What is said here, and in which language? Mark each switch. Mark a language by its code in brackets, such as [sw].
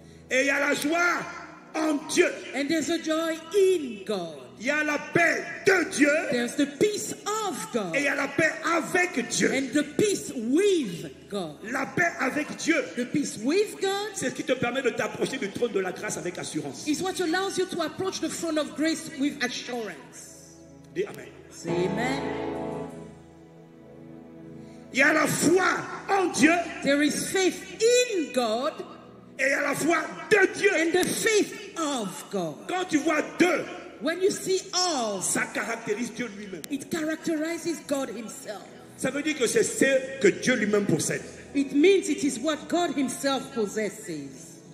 [fr] Et il y a la joie en Dieu. [en] And there's a joy in God. [fr] Il y a la paix de Dieu. [en] There's the peace of God. [fr] Et il y a la paix avec Dieu. [en] And the peace with God. [fr] La paix avec Dieu. [en] The peace with God. [fr] C'est ce qui te permet de t'approcher du trône de la grâce avec assurance. [en] It's what allows you to approach the throne of grace with assurance. [fr] Dis amen. [en] Say amen. [fr] Il y a la foi en Dieu. [en] There is faith in God. [fr] Et il y a la foi de Dieu. [en] And the faith of God. [fr] Quand tu vois deux. [en] When you see all, [fr] ça caractérise Dieu lui-même. [en] It characterizes God himself. [fr] Ça veut dire que c'est ce que Dieu lui-même possède. [en] It means it is what God himself possesses.